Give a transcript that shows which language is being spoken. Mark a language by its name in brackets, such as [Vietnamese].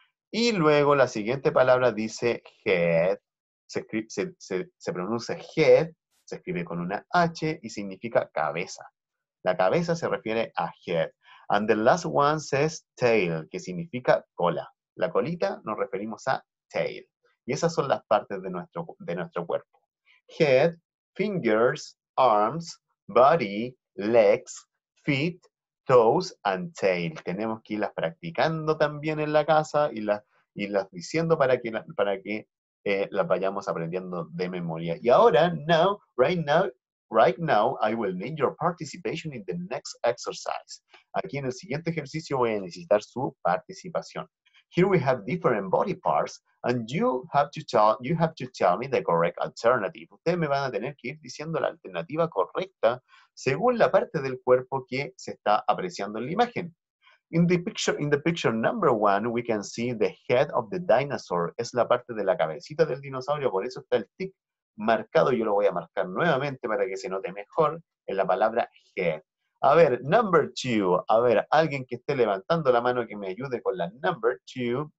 [Spanish] Y luego la siguiente palabra dice head. Se pronuncia head, se escribe con una H y significa cabeza. La cabeza se refiere a head. [English] And the last one says [Spanish] tail, que significa cola. La colita nos referimos a tail. Y esas son las partes de nuestro cuerpo. [English] Head, fingers, arms, body, legs, feet, toes, and tail. [Spanish] Tenemos que irlas practicando también en la casa y las diciendo para que las vayamos aprendiendo de memoria. Y ahora, [English] right now, I will need your participation in the next exercise. [Spanish] Aquí en el siguiente ejercicio voy a necesitar su participación. [English] Here we have different body parts, and you have to tell me the correct alternative. [Spanish] Ustedes me van a tener que ir diciendo la alternativa correcta según la parte del cuerpo que se está apreciando en la imagen. [English] In the picture number one, we can see the head of the dinosaur. [Spanish] Es la parte de la cabecita del dinosaurio, por eso está el tick marcado. Yo lo voy a marcar nuevamente para que se note mejor en la palabra head. A ver, number two. A ver, alguien que esté levantando la mano que me ayude con la number two.